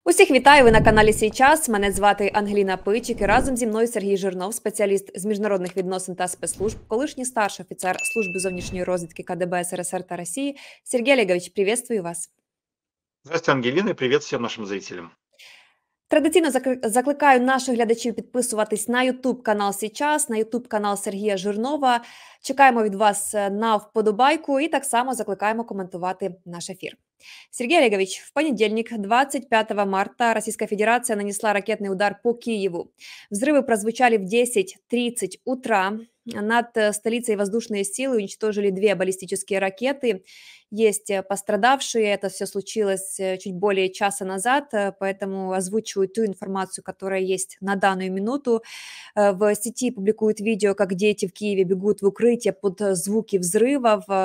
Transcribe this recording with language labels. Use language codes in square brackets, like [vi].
[uk] Усіх вітаю, ви на каналі «Свій час». Мене звати Ангеліна Пичик. І разом зі мною Сергій Жирнов, спеціаліст з міжнародних відносин та спецслужб, колишній старший офіцер Служби зовнішньої розвідки КДБ СРСР та Росії. Сергій Олегович, привітствую вас. Здравствуйте, Ангеліна, і привіт всім нашим зрителям. Традиційно закликаю наших глядачів підписуватись на YouTube-канал «Свій час», на YouTube-канал Сергія Жирнова. Чекаємо від вас на вподобайку і так само закликаємо коментувати наш ефір. Сергій Олегович, [ru] в понедельник, 25 марта, [uk] Російська Федерація нанесла ракетний удар по Києву. [ru] Взриви прозвучали в 10:30 утра. Над столицей воздушные силы уничтожили две баллистические ракеты. Есть пострадавшие. Это все случилось чуть более часа назад, поэтому озвучиваю ту информацию, которая есть на данную минуту. В сети публикуют видео, как дети в Киеве бегут в укрытие под звуки взрывов.